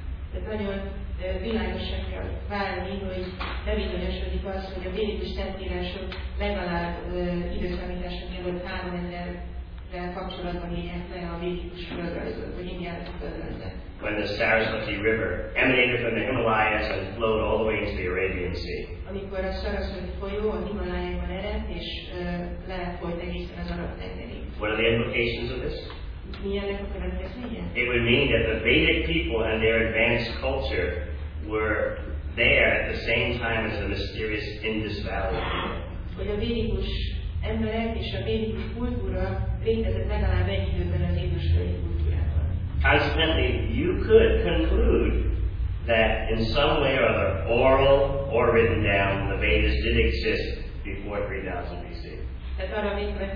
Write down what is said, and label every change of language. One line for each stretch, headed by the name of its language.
English: When the Saraswati River emanated from the Himalayas and flowed all the way into the Arabian Sea.
Hungarian: Amikor a Saraswati folyó a Himalájában ered, és lefolyt egészen az arab tengerig.
English: What are the implications of this?
Hungarian: Mi ennek a következménye?
English: It would mean that the Vedic people and their advanced culture were there at the same time as the mysterious Indus Valley.
Hungarian: Hogy a védikus emberek és a védikus kultúra létezett legalább egy időben az Indus-völgyi kultúrában.
English: Consequently, you could conclude that in some way or other, oral or written down, the Vedas did exist before 3000 BC.